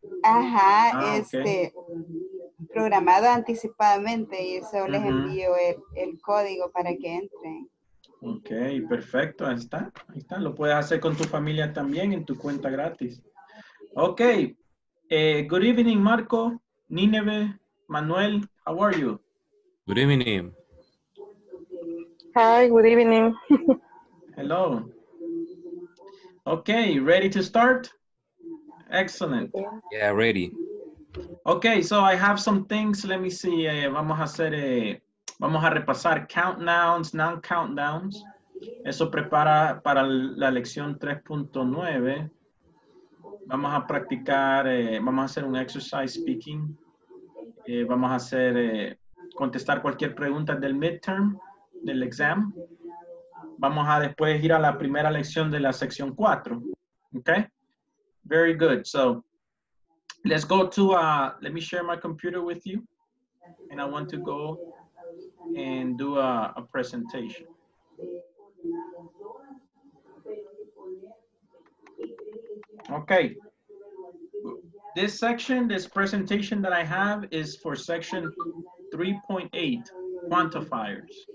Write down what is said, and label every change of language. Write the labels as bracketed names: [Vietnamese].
[Spanish] Ajá, programado anticipadamente, y eso les envío el código para que entren. Ok, perfecto, ahí está. Lo puedes hacer con tu familia también en tu cuenta gratis. [English] Ok, good evening, Marco, Nineve, Manuel, how are you? Good evening. Hi, good evening. Hello. Okay, ready to start? Excellent. Yeah, ready. Okay, so I have some things. Let me see. [Spanish] Vamos a hacer Vamos a repasar count nouns, noun count nouns. Eso prepara para la lección 3.9. Vamos a practicar, vamos a hacer un [English] exercise speaking. [Spanish] Vamos a hacer, contestar cualquier pregunta del midterm, del exam. Vamos a después ir a la primera lección de la sección 4. [English] Okay? Very good. So, let's go to, let me share my computer with you. And I want to go and do a presentation. Okay. This section, this presentation that I have is for section 3.8, quantifiers.